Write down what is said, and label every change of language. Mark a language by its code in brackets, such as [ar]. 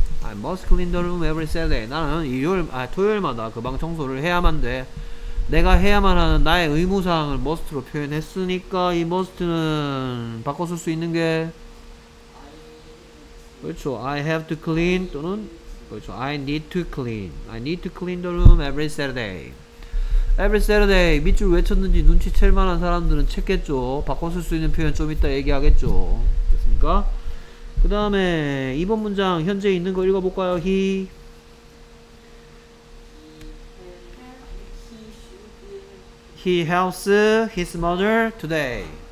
[en] I must clean the room every Saturday. [ko] 나는 토요일마다 그 방 청소를 해야만 돼. 내가 해야만 하는 나의 의무사항을 must로 표현했으니까 이 must는 바꿔 쓸 수 있는 게 그렇죠. [en] I have to clean [ko] 또는 그렇죠. [en] I need to clean. I need to clean the room every Saturday. Every Saturday [ko] 밑줄 왜 쳤는지 눈치챌 만한 사람들은 챘겠죠. 바꿔 쓸 수 있는 표현 좀 이따 얘기하겠죠. 됐습니까? 그 다음에 2번 문장 현재 있는 거 읽어볼까요? [en] He helps his mother today.